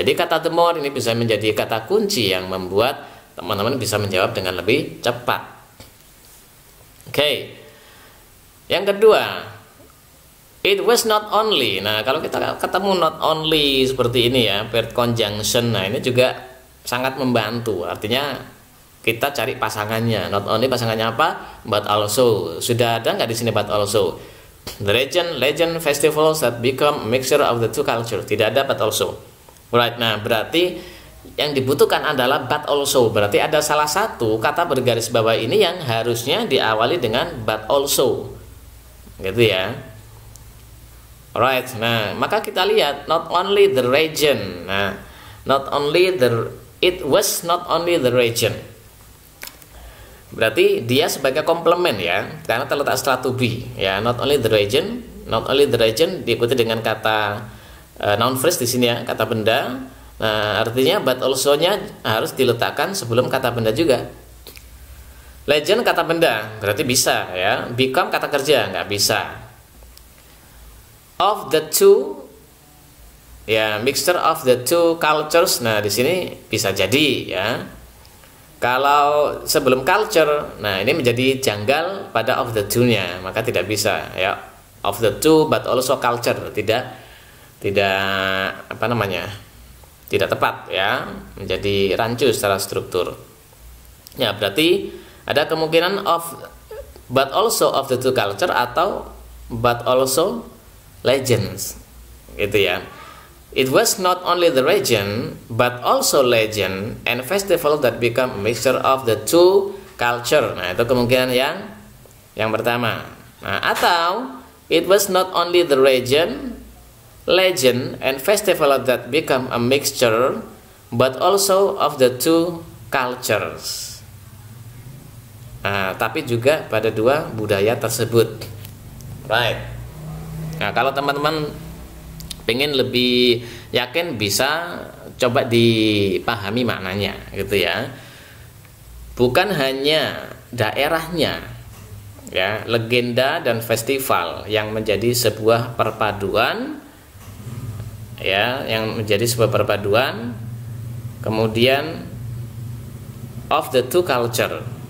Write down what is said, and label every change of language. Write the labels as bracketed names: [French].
[Indonesian] Jadi kata the more ini bisa menjadi kata kunci yang membuat teman-teman bisa menjawab dengan lebih cepat. Oke. Yang kedua, [English] it was not only. [Indonesian] Nah, kalau kita ketemu not only seperti ini ya, paired conjunction. Nah, ini juga sangat membantu. Artinya kita cari pasangannya. Not only pasangannya apa? But also. Sudah ada enggak di sini but also? [English] The legend festivals that become mixture of the two culture. [Indonesian] Tidak ada but also. Right. Nah, berarti yang dibutuhkan adalah but also. Berarti ada salah satu kata bergaris bawah ini yang harusnya diawali dengan but also. Gitu ya. Alright. Nah, maka kita lihat [English] not only the region. Nah, not only the it was not only the region. [Indonesian] Berarti dia sebagai komplement ya, karena terletak setelah to be ya, [English] not only the region, [Indonesian] not only the region diikuti dengan kata noun phrase di sini ya, kata benda. Nah, artinya but also-nya harus diletakkan sebelum kata benda juga. Legend kata benda, berarti bisa ya. Become kata kerja, enggak bisa. [English] Of the two ya, mixture of the two cultures. [Indonesian] Nah, di sini bisa jadi ya. Kalau sebelum culture, nah ini menjadi janggal pada of the two-nya, maka tidak bisa ya. [English] Of the two but also culture, [Indonesian] tidak tepat ya, menjadi rancu secara struktur. Ya, berarti ada kemungkinan [English] of but also of the two culture [Indonesian] atau but also legends. Gitu ya. [English] It was not only the region but also legend and festival that become mixture of the two culture. [Indonesian] Nah, itu kemungkinan yang pertama. [English] Nah, atau it was not only the region, legend and festival that become a mixture but also of the two cultures. [Indonesian] Nah, tapi juga pada dua budaya tersebut. Right. Nah, kalau teman-teman pengen lebih yakin bisa coba dipahami maknanya gitu ya. Bukan hanya daerahnya ya, legenda dan festival yang menjadi sebuah perpaduan ya, yang menjadi sebuah perpaduan kemudian [English] of the two culture.